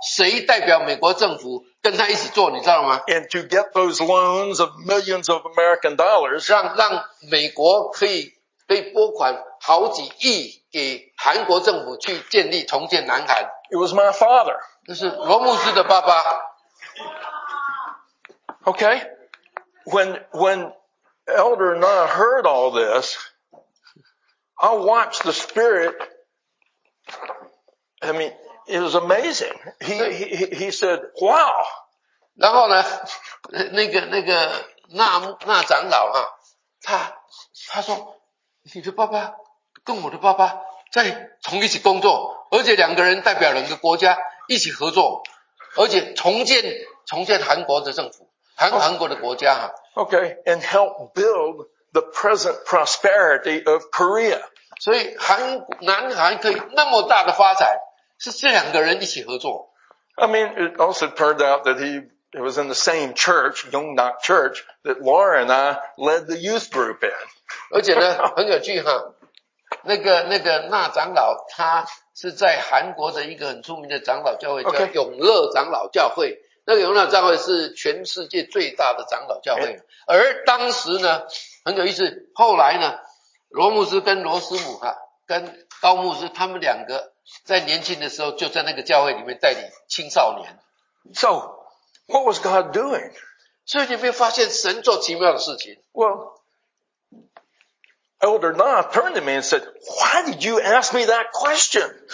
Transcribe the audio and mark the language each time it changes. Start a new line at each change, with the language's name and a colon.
Chinese: 在这里我刚刚你们觉得一件很奇妙的事，就是他的父亲呢，当时在韩国跟美国的政府机构在洽商的时候呢，你知不知道谁代表美国政府跟他一起做，你知道吗？
English: And to get those loans of millions of American dollars,
Chinese: 让美国可以拨款好几亿给韩国政府去建立重建南韩。
English: It was my father.
Chinese: 这是罗牧师的爸爸。
English: Okay. When Elder and I heard all this, I watched the Spirit. I mean, it was amazing. He said, wow.
Chinese: 然后呢,那个那长老啊,他说,你的爸爸跟我的爸爸在同一起工作，而且两个人代表两个国家一起合作，而且重建韩国的政府，韩国的国家。
English: Okay, and help build the present prosperity of Korea.
Chinese: 所以南韩可以那么大的发展，是这两个人一起合作。
English: I mean, it also turned out that it was in the same church, Yongnak Church, that Laura and I led the youth group in.
Chinese: 而且呢，很有趣哈，那个那长老他是在韩国的一个很出名的长老教会，叫永乐长老教会。
English: Okay.
Chinese: 那个永乐长老是全世界最大的长老教会。
English: Okay.
Chinese: 而当时呢，很有意思，后来呢，罗牧师跟罗师母哈，跟高牧师他们两个在年轻的时候就在那个教会里面带领青少年。
English: So, what was God doing?
Chinese: 所以你会发现神做奇妙的事情。
English: Well,Elder Na turned to me and said, why did you ask me that question?